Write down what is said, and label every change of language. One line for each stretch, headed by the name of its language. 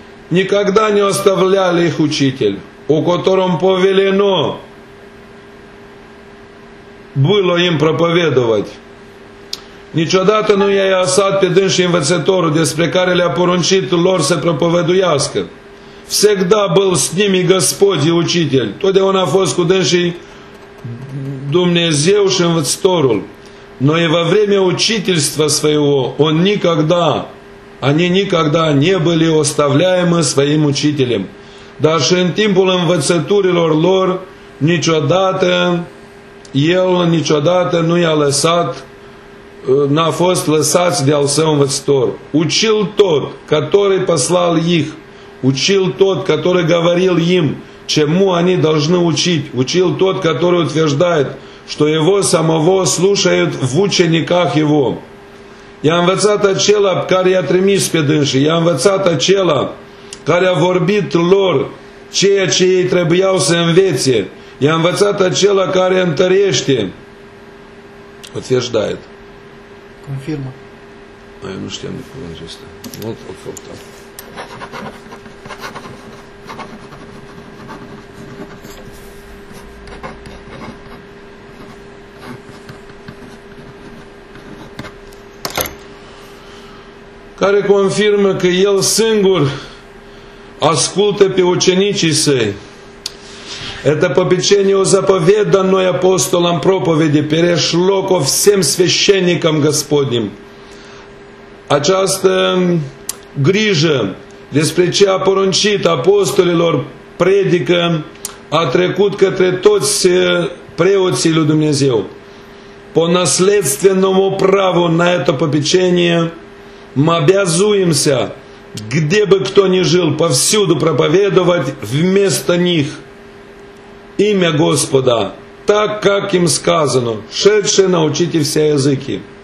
Russian: Никогда не оставляли их учитель, у которого повелено было им проповедовать.
Romanian: Niciodată nu i-ai lăsat pe dânsi învățătorul despre care le-a poruncit lor să propovăduiască.
Russian: Всегда был с ними Господь и учитель.
Romanian: Totdeauna a fost cu dânsi Dumnezeu și învățătorul.
Russian: Но и во время учительства своего он никогда, они никогда не были оставляемы своим учителем.
Romanian: Dar și în timpul învățăturilor lor, niciodată el niciodată nu i-a lăsat, n-a fost lăsat de al său învățător.
Russian: Учил тот, который послал их. Учил тот, который говорил им, чему они должны учить. Учил тот, который утверждает, что его самого слушают в учениках его.
Romanian: I-a învățat acela care i-a trimis pe dânsii, i-a învățat acela care a vorbit lor ceea ce ei trebuiau să învețe, i-a învățat acela care întărește.
Russian: Отверждает.
Romanian: Confirmă. Ai, nu știam de cuvântul ăsta. Mult ofertat. Care confirmă că el singur ascultă pe ucenicii săi.
Russian: Это попечение о заповеданной апостолам проповеди перешло ко всем священникам Господним.
Romanian: Această grijă despre ce a poruncit apostolilor predică a trecut către toți preoții lui Dumnezeu.
Russian: По наследственному праву на это попечение мы обязуемся, где бы кто ни жил, повсюду проповедовать вместо них имя Господа, так, как им сказано, шедшие научите все языки.